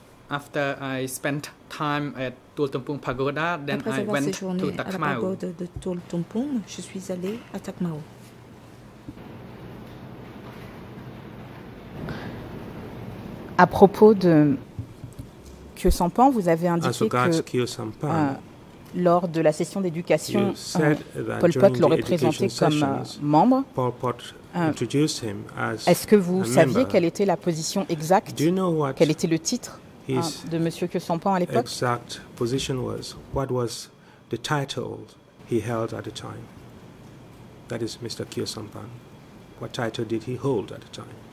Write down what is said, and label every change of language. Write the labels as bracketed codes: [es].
[en] After I spent time at Tuol Tumpung Pagoda, then [fr] après [en] I went to Takmau. [fr] À la pagode de Tuol Tumpung, je suis allée à Takmau. À propos de Kyo Sampan, vous avez indiqué que lors de la session d'éducation, Pol Pot l'aurait présenté comme membre. Est-ce que vous saviez quelle était la position exacte? Quel était le titre de Monsieur Kyo Sampan à l'époque? [en] Exact position was what was the title he held at the time. That is Mr. Kyo Sampan. What title did he hold at the time?